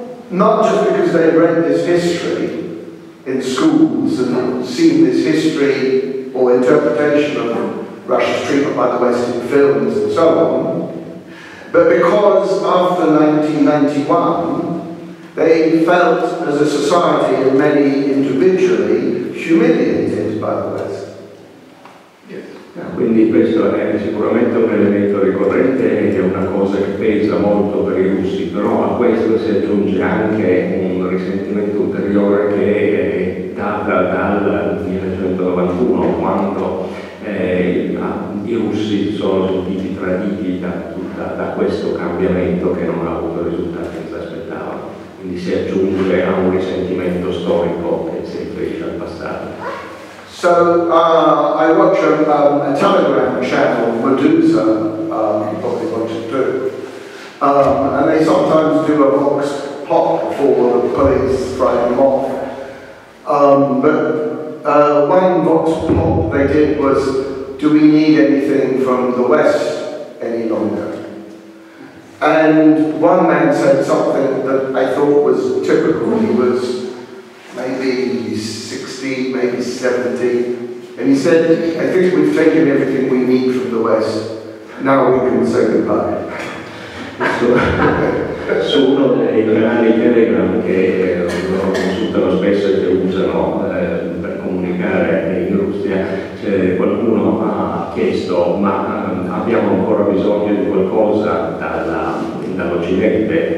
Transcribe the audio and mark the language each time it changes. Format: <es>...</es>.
<en>not just because they've read this history in schools and seen this history or interpretation of Russia's treatment by the West in films and so on, but because after 1991 they felt as a society and many individually humiliated by the West.</en> <it>Quindi questo è sicuramente un elemento ricorrente ed è una cosa che pesa molto per i russi, però a questo si aggiunge anche un risentimento ulteriore che è data dal 1991, quando i russi sono sentiti traditi da questo cambiamento che non ha avuto risultati che si aspettavano. Quindi si aggiunge a un risentimento storico che si riferisce al passato.</it> <en>So I watch a telegram channel, Medusa, you probably watch it too, and they sometimes do a vox pop for the police, frighten them off. But one vox pop they did was, do we need anything from the West any longer? And one man said something that I thought was typical. He was maybe 16, maybe 17. And he said, I think we've taken everything we need from the West. Now we can say goodbye.</en> <it>Su uno dei canali Telegram che loro consultano spesso e che usano per comunicare in Russia, qualcuno ha chiesto, ma abbiamo ancora bisogno di qualcosa dall'Occidente?</it>